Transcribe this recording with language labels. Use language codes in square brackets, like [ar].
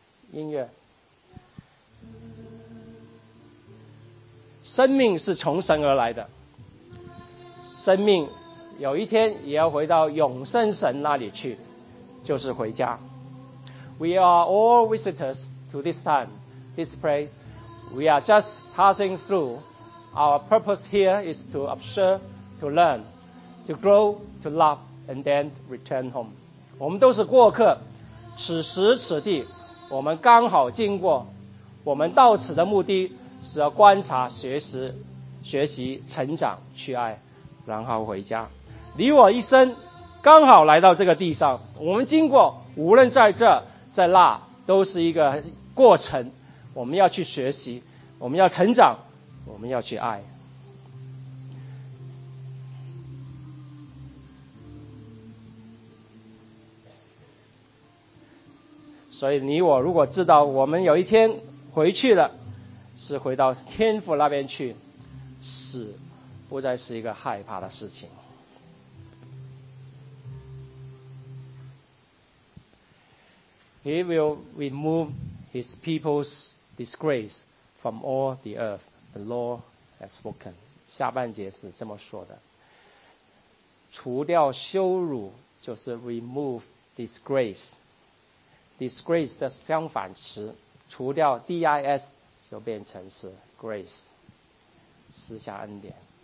[zh] 音乐。生命是从神而来的，生命有一天也要回到永生神那里去，就是回家。 [en] We are all visitors to this time, this place. We are just passing through. Our purpose here is to observe, to learn, to grow, to love, and then return home. [zh] 我们都是过客，此时此地我们刚好经过，我们到此的目的是要观察、学习、学习、成长、去爱，然后回家。你我一生刚好来到这个地上，我们经过，无论在这在那，都是一个过程。我们要去学习，我们要成长，我们要去爱。所以你我如果知道我们有一天回去了，是回到天父那边去，死不再是一个害怕的事情。 [en] He will remove his people's disgrace from all the earth. The Lord has spoken. [zh] 下半节是这么说的，除掉羞辱，就是 [en] remove disgrace。 [zh] Disgrace 的相反词，除掉 D-I-S 就变成是 grace， 施下恩典。